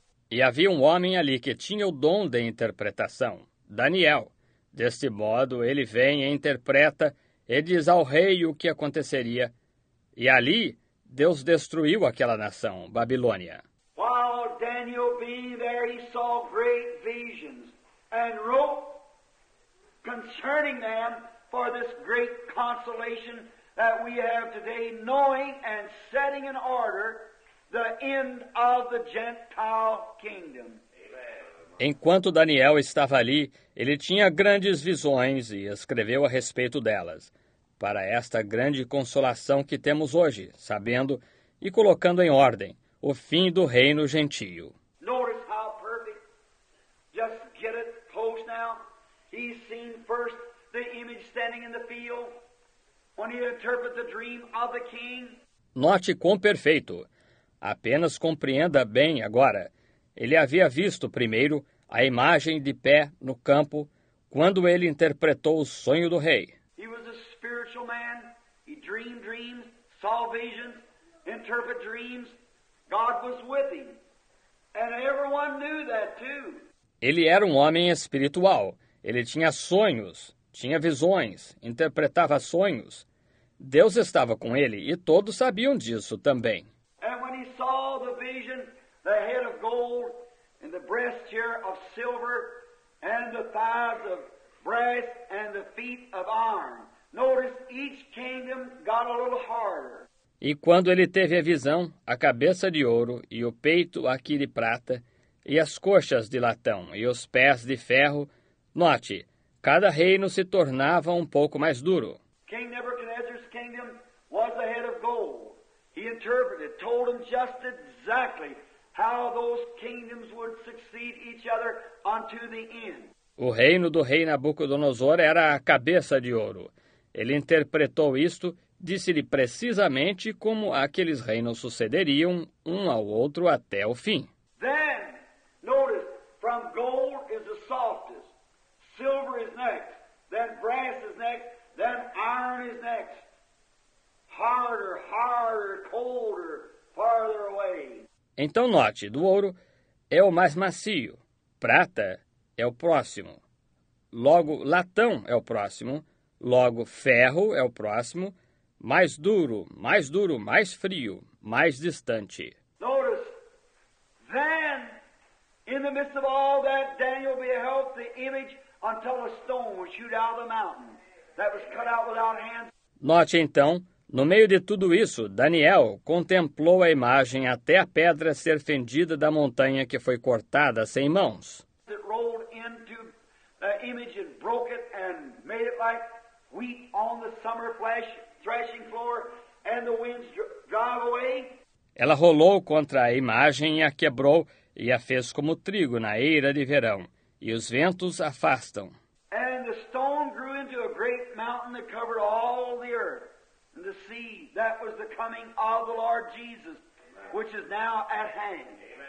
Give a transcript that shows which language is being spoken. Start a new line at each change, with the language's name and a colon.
Portuguese: E havia um homem ali que tinha o dom de interpretação, Daniel. Deste modo, ele vem e interpreta e diz ao rei o que aconteceria. E ali, Deus destruiu aquela nação, Babilônia.
English: While Daniel being there, he saw great visions and wrote concerning them for this great consolation that we have today, knowing and setting in order the end of the Gentile kingdom.
Portuguese: Enquanto Daniel estava ali, ele tinha grandes visões e escreveu a respeito delas, para esta grande consolação que temos hoje, sabendo e colocando em ordem o fim do reino gentio.
English: Notice how perfect. Just get it close now. He's seen first the image standing in the field when he interprets the dream of the king.
Portuguese: Note quão perfeito. Apenas compreenda bem agora. Ele havia visto primeiro a imagem de pé no campo quando ele interpretou o sonho do rei.
English: He was a spiritual man. He dreamed dreams, saw visions, interpreted dreams. God was with him. And everyone knew that too.
Portuguese: Ele era um homem espiritual. Ele tinha sonhos, tinha visões, interpretava sonhos. Deus estava com ele e todos sabiam disso também.
English: And when he saw the vision, the head of gold and the breast here of silver and the thighs of brass and the feet of iron. Notice each kingdom got a little harder.
Portuguese: E quando ele teve a visão, a cabeça de ouro e o peito aqui de prata e as coxas de latão e os pés de ferro, note, cada reino se tornava um pouco mais duro.
English: King Nebuchadnezzar's kingdom was the head of gold. He interpreted, told him just exactly how those kingdoms would succeed each other unto the end.
Portuguese: O reino do rei Nabucodonosor era a cabeça de ouro. Ele interpretou isto, disse-lhe precisamente como aqueles reinos sucederiam um ao outro até o fim.
English: Then, notice, from gold is the softest. Silver is next. Then brass is next. Then iron is next. Harder, harder, colder, farther away.
Portuguese: Então note, do ouro é o mais macio. Prata é o próximo. Logo, latão é o próximo. Logo, ferro é o próximo. Mais duro, mais frio, mais distante.
English: Notice, then, in the midst of all that, Daniel beheld the image until a stone was hewed out of the mountain that was cut out without hands.
Portuguese: Note então, no meio de tudo isso, Daniel contemplou a imagem até a pedra ser fendida da montanha que foi cortada sem mãos.
English: It rolled into the image and broke it and made it like wheat on the summer flesh. Threshing floor, and the winds drive away.
Portuguese: Ela rolou contra a imagem e a quebrou e a fez como trigo na eira de verão, e os ventos afastam.
English: And the stone grew into a great mountain that covered all the earth and the sea. That was the coming of the Lord Jesus, which is now at hand.